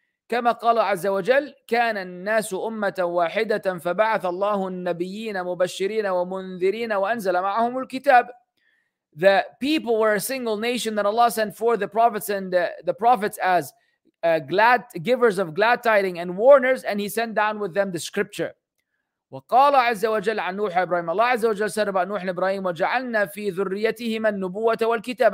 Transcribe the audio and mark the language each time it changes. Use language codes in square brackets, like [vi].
[ar] كما قال عز وجل, كان الناس أمة واحدة فبعث الله النبيين مبشرين ومنذرين وأنزل معهم الكتاب. [en] The people were a single nation that Allah sent for the prophets and the prophets as glad givers of glad tidings and warners, and He sent down with them the scripture. [ar] وقال عز وجل عن نوح إبراهيم, الله عز وجل [en] said about [ar] نوح إبراهيم, وجعلنا في ذريتهما النبوة والكتاب.